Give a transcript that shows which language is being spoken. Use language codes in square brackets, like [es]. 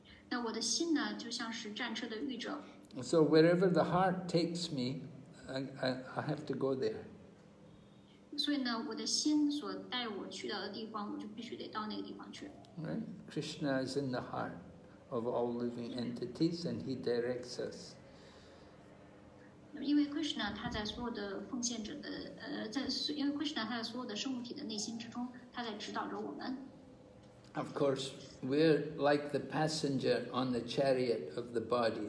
[zh] 那我的心呢，就像是战车的御者。 [en] So wherever the heart takes me, I have to go there. [zh] 所以呢，我的心所带我去到的地方，我就必须得到那个地方去。 [en] Right? Krishna is in the heart. Of all living entities, and he directs us. [zh] 因为 Krishna 他在所有的奉献者的在因为 Krishna 他在所有的生物体的内心之中，他在指导着我们。 [en] Of course, we're like the passenger on the chariot of the body.